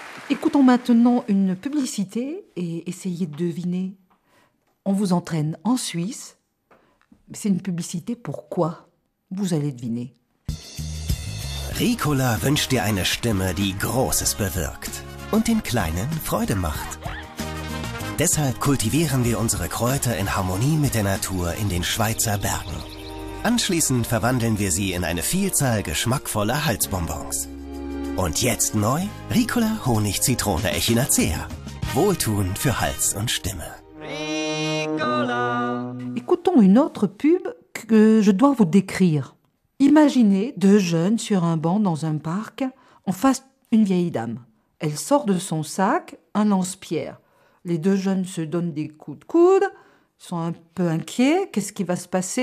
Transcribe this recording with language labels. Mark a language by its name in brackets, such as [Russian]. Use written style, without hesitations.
[French] Écoutons maintenant une publicité et essayez de deviner. On vous entraîne en Suisse. C'est une publicité pour quoi ? Vous allez deviner. [German] Ricola wünscht dir eine Stimme, die Großes bewirkt und den Kleinen Freude macht. Deshalb kultivieren wir unsere Kräuter in Harmonie mit der Natur in den Schweizer Bergen. Anschließend verwandeln wir sie in eine Vielzahl geschmackvoller Halsbonbons. Und jetzt neu, Ricola Honig-Zitrone Echinacea. Wohltun für Hals und Stimme. Ricola. [French] Écoutons une autre pub que je dois vous décrire. Imaginez deux jeunes sur un banc dans un parc, en face une vieille dame. Elle sort de son sac un lance-pierre. Les deux jeunes se donnent des coups de coude, sont un peu inquiets. Qu'est-ce qui va se passer?